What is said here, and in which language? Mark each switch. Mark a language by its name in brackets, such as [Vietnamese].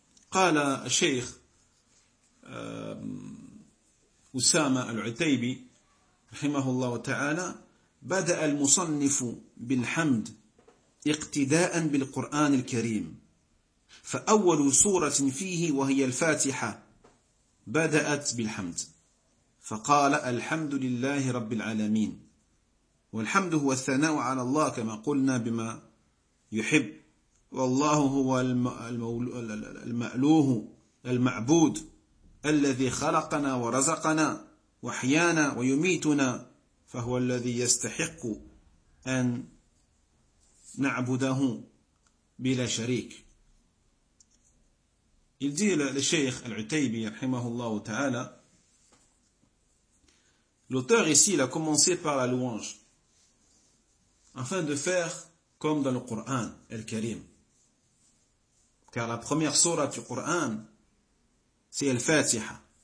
[Arabic] Qala Sheikh Usama al-Utaybi, rahimahullah wa ta'ala, bada al-musannifu bil-hamd iqtida'an bil-Qur'an al-Karim. فأول سورة فيه وهي الفاتحة بدأت بالحمد، فقال الحمد لله رب العالمين. والحمد هو الثناء على الله كما قلنا بما يحب، والله هو المألوه المعبود الذي خلقنا ورزقنا وحيانا ويميتنا، فهو الذي يستحق أن نعبده بلا شريك. يجي للشيخ العتيبي رحمه الله تعالى، [French] l'auteur ici il a commencé par la louange afin de faire comme dans le Coran al-Karim, car la première sourate du Coran c'est al-Fatiha,